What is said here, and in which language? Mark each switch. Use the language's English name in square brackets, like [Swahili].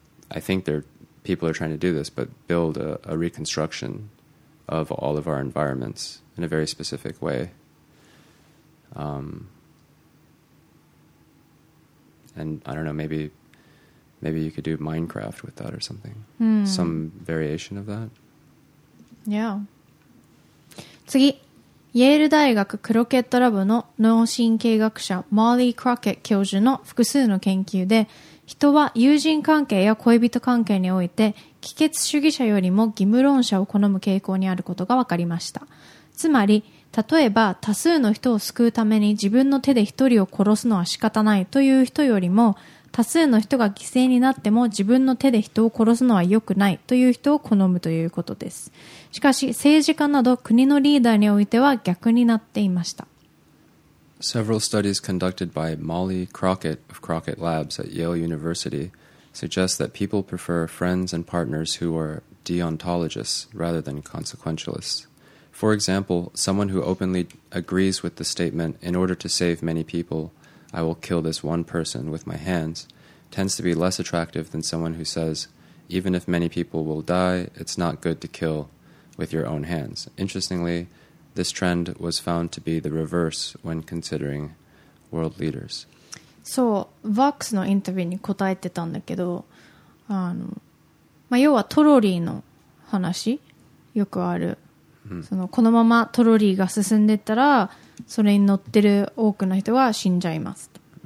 [English] I think people are trying to do this, but build a reconstruction of all of our environments in a very specific way. And I don't know, maybe you could do Minecraft with that or something. Some variation of that. Yeah. [Japanese] 次、イェール大学クロケットラボの脳神経学者マーリー・クロケット教授の複数の研究で、人は友人関係や恋人関係において、帰結主義者よりも義務論者を好む傾向にあることが分かりました。つまり、例えば多数の人を救うために自分の手で一人を殺すのは仕方ないという人よりも、多数の人が犠牲になっても自分の手で人を殺すのは良くないという人を好むということです。しかし、政治家など国のリーダーにおいては逆になっていました。 [English] Several studies conducted by Molly Crockett of Crockett Labs at Yale University suggest that people prefer friends and partners who are deontologists rather than consequentialists. For example, someone who openly agrees with the statement, in order to save many people, I will kill this one person with my hands, tends to be less attractive than someone who says, even if many people will die, it's not good to kill with your own hands. Interestingly,This trend was found to be the reverse when considering world leaders. [Japanese] そう、Vox のインタビューに答えてたんだけど、まあ、要はトロリーの話、よくある。そのこのままトロリーが進んでったら、それに乗ってる多くの人が死んじゃいますと。